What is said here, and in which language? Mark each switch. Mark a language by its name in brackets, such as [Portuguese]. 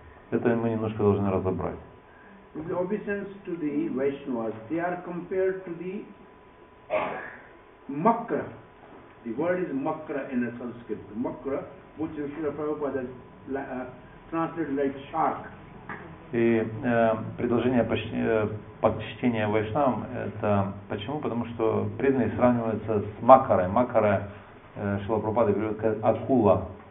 [Russian] Это мы немножко должны разобрать. [English] The obeisance to the Vaishnavas, they are compared to the Makra. The word is Makra in a Sanskrit. Makra, which is Srila Prabhupada translated like shark. [Russian] И предложение почтения Вайшнавам, это почему? Потому что преданные сравниваются с Макарой. Макара, Шрила Прабхупада говорит, как акула.